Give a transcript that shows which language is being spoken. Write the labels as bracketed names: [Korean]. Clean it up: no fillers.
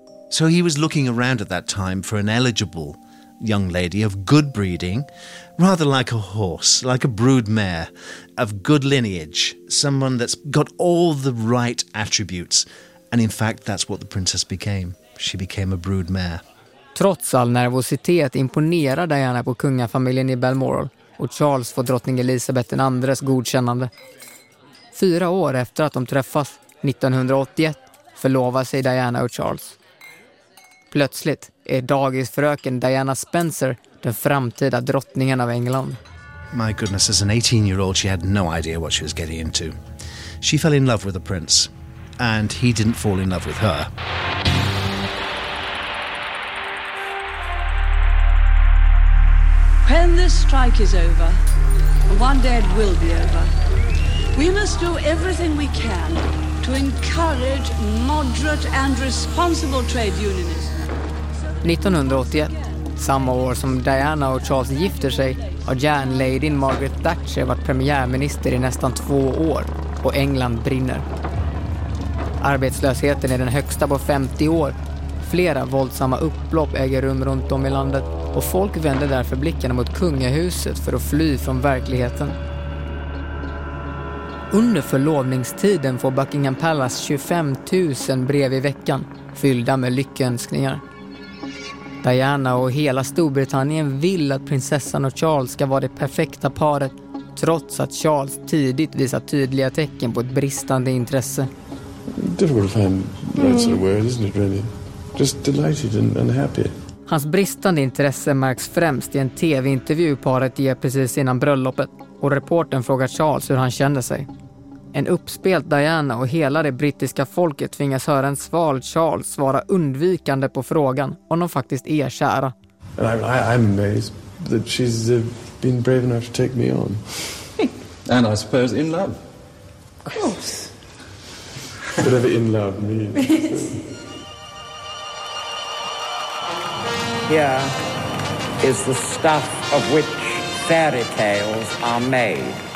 [English] So he was looking around at that time for an eligible young lady of good breeding, rather like a horse, like a brood mare, of good lineage, someone that's got all the right attributes. And in fact, that's what the princess became. She became a brood mare. [Swedish] Trots all nervositet imponerar Diana på kungafamiljen i Balmoral och Charles får drottning Elisabeth den andres godkännande. Fyra år efter att de träffas 1981 förlovar sig Diana och Charles. Plötsligt är dagisfröken Diana Spencer den framtida drottningen av England. [English] My goodness, as an 18-year-old she had no idea what she was getting into. She fell in love with a prince and he didn't fall in love with her. When this strike is over, one day it will be over, we must do everything we can to encourage moderate and responsible trade unionism. [Swedish] 1981, samma år som Diana och Charles gifter sig, har järnladyn Margaret Thatcher varit premiärminister i nästan två år och England brinner. Arbetslösheten är den högsta på 50 år. Flera våldsamma upplopp äger rum runt om i landet och folk vänder därför blickarna mot kungahuset för att fly från verkligheten. Under förlovningstiden får Buckingham Palace 25 000 brev i veckan fyllda med lyckönskningar. Diana och hela Storbritannien vill att prinsessan och Charles ska vara det perfekta paret trots att Charles tidigt visar tydliga tecken på ett bristande intresse. [English] Difficult to find the right sort of word, isn't it really? Just delighted and happy. [Swedish] Hans bristande intresse märks främst i en tv-intervju paret ger precis innan bröllopet och reporten frågar Charles hur han känner sig. En uppspelt Diana och hela det brittiska folket tvingas höra en sval Charles svara undvikande på frågan om de faktiskt är kära. [English] And I'm amazed that she's been brave enough to take me on. And I suppose in love. Of course. Whatever in love means. Here is the stuff of which fairy tales are made.